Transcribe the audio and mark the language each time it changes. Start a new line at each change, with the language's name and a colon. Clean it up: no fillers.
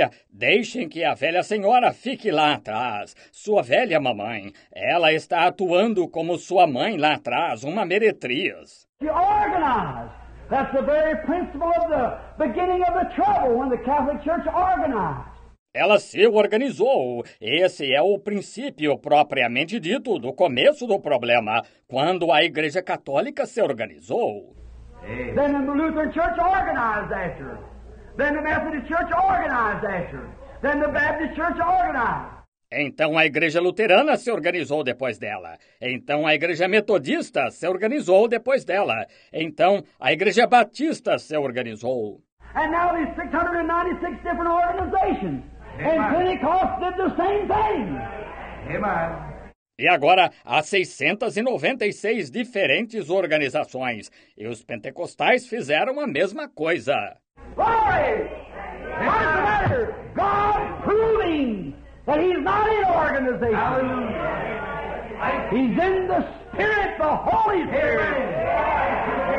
Portuguese: Deixem que a velha senhora fique lá atrás. Sua velha mamãe, ela está atuando como sua mãe lá atrás, uma meretriz.
English: She organized. That's the very principle of the beginning of the trouble when the Catholic Church organized.
Portuguese: Ela se organizou. Esse é o princípio propriamente dito do começo do problema, quando a Igreja Católica se organizou.
English: Then the Lutheran Church organized after. Then the Methodist Church organized after. Then the Baptist Church organized.
Portuguese: Então a Igreja Luterana se organizou depois dela. Então a Igreja Metodista se organizou depois dela. Então a Igreja Batista se organizou.
English: And now there's 696 different organizations. And Pentecost did the same thing. Amen.
Portuguese: E agora há 696 diferentes organizações. E os pentecostais fizeram a mesma coisa.
English: Glory! What's the matter? God proving that he's not in organization. Hallelujah. He's in the Spirit, the Holy Spirit.